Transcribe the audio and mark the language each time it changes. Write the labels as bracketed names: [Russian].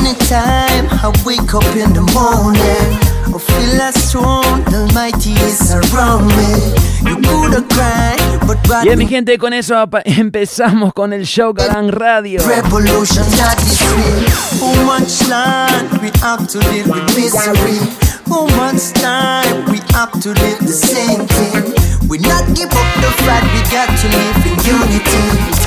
[English] I wake up in the morning, I feel as strong, the Almighty is around me. You could have cried. [Spanish] Bien, mi gente, con eso empezamos con el show Galán Radio. [English] Revolution, that is real. How much land we have to live with misery. How much time we have to live the same thing. We not give up the fight, we got to live in unity.